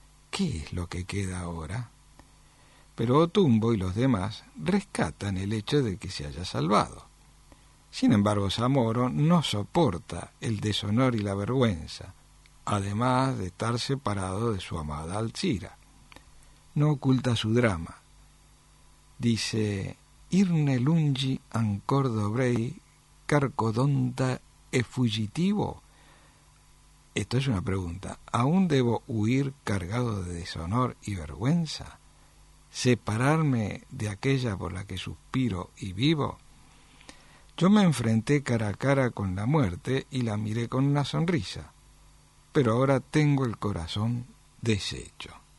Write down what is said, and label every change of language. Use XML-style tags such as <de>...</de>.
<es>¿Qué es lo que queda ahora? Pero Otumbo y los demás rescatan el hecho de que se haya salvado. Sin embargo, Zamoro no soporta el deshonor y la vergüenza, además de estar separado de su amada Alcira. No oculta su drama.</es> <it>Dice: Irne lungi ancor dovrei, carcodonta e fuggitivo.</it> <es>Esto es una pregunta. ¿Aún debo huir cargado de deshonor y vergüenza? ¿Separarme de aquella por la que suspiro y vivo? Yo me enfrenté cara a cara con la muerte y la miré con una sonrisa, pero ahora tengo el corazón deshecho.</es>